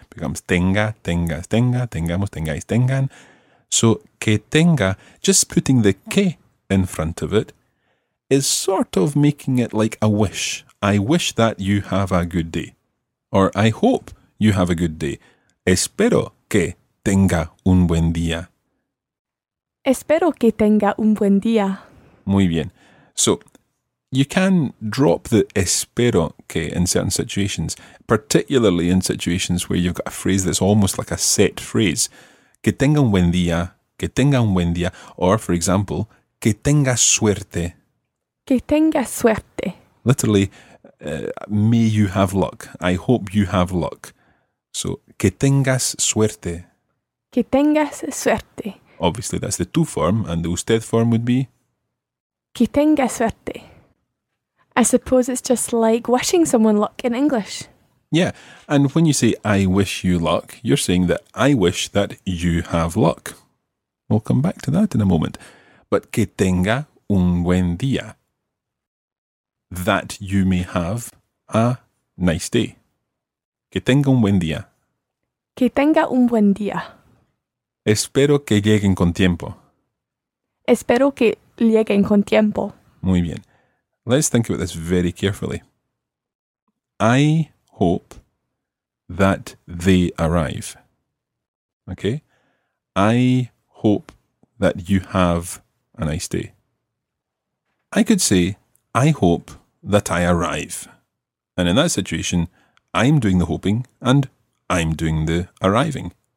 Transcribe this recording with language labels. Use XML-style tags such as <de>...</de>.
<en>Becomes tenga, tengas, tenga, tengamos, tengáis, tengan. So, que tenga, just putting the que in front of it, is sort of making it like a wish. I wish that you have a good day. Or, I hope you have a good day.</en> <es>Espero que tenga un buen día. Espero que tenga un buen día. Muy bien. So,</es> <en>You can drop the espero que in certain situations, particularly in situations where you've got a phrase that's almost like a set phrase.</en> <es>Que tenga un buen día, que tenga un buen día.</es> <en>Or, for example, que tenga suerte.</en> <es>Que tenga suerte.</es> <en>Literally, may you have luck. I hope you have luck. So, que tengas suerte.</en> <es>Que tengas suerte.</es> <en>Obviously, that's the tú form, and the usted form would be?</en> <es>Que tenga suerte.</es> <en>I suppose it's just like wishing someone luck in English. Yeah, and when you say I wish you luck, you're saying that I wish that you have luck. We'll come back to that in a moment.</en> <es>But que tenga un buen día.</es> <en>That you may have a nice day.</en> <es>Que tenga un buen día. Que tenga un buen día. Espero que lleguen con tiempo. Espero que lleguen con tiempo. Muy bien.</es> <en>Let's think about this very carefully. I hope that they arrive. Okay? I hope that you have a nice day. I could say, I hope that I arrive. And in that situation, I'm doing the hoping and I'm doing the arriving.</en>